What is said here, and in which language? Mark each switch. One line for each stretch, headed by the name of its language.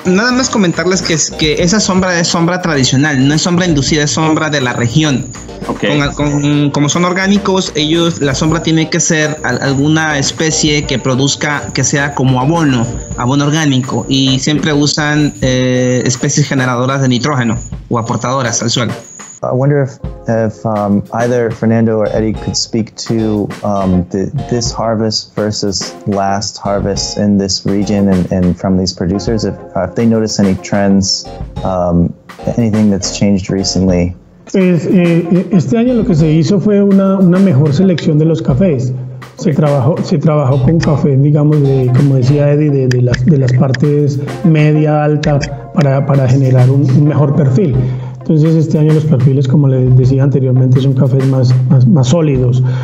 Spanish: Nada más comentarles que esa sombra es sombra tradicional, no es sombra inducida, es sombra de la región.
English: Okay.
Spanish: Como son orgánicos, ellos, la sombra tiene que ser alguna especie que produzca, que sea como abono orgánico, y siempre usan especies generadoras de nitrógeno o aportadoras al suelo.
English: I wonder if either Fernando or Eddie could speak to this harvest versus last harvest in this region and from these producers, if they notice any trends, anything that's changed recently.
Spanish: Pues, este año lo que se hizo fue una mejor selección de los cafés. Se trabajó con café, digamos, de, como decía Eddie, de las partes media alta para generar un mejor perfil. Entonces este año los perfiles, como les decía anteriormente, son cafés más sólidos.